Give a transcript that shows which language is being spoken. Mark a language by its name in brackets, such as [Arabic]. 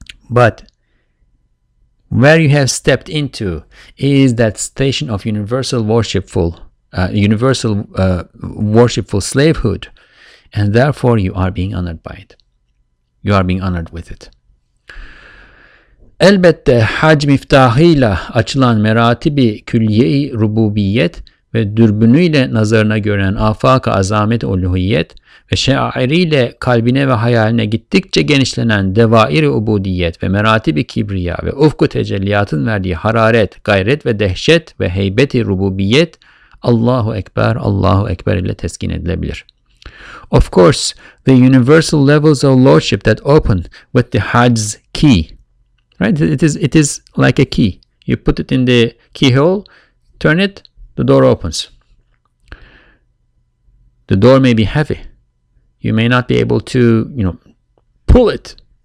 [English] But where you have stepped into is that station of universal worshipful slavehood, and therefore you are being honored by it. You are being honored with it. [Turkish] Elbette hac miftahıyla açılan meratibi külliye-i rububiyet ve dürbünüyle nazarına gören afak-ı azamet-i uluhiyet ve şeairiyle kalbine ve hayaline gittikçe genişlenen devair-i ubudiyet ve meratibi kibriya ve ufku tecelliyatın verdiği hararet, gayret ve dehşet ve heybet-i rububiyet Allahu Ekber, Allahu Ekber ile teskin edilebilir. [English] Of course, the universal levels of lordship that open with the hajj's key. Right, it is like a key. You put it in the keyhole, turn it, the door opens. The door may be heavy. You may not be able to, you know, pull it.